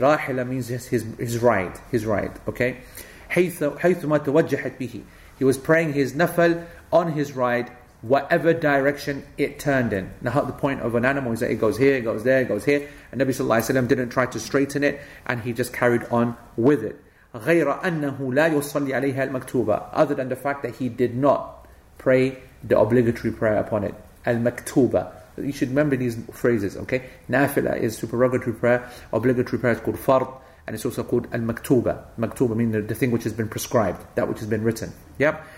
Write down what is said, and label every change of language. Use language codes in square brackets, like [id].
[en] Rahila means his ride, okay? [ar] حيثما توجهت به. [en] He was praying his nafal on his ride, whatever direction it turned in. Now, the point of an animal is that it goes here, it goes there, it goes here. And Nabi sallallahu alayhi wa sallam didn't try to straighten it, and he just carried on with it. [ar] غير أنه لا يصلي عليها المكتوبة. [en] Other than the fact that he did not pray the obligatory prayer upon it. [ar] المكتوبة. [en] You should remember these phrases, okay? Nafila is supererogatory prayer. Obligatory prayer is called fard. And it's also called al-maktuba. Maktuba means the thing which has been prescribed, that which has been written. Yep.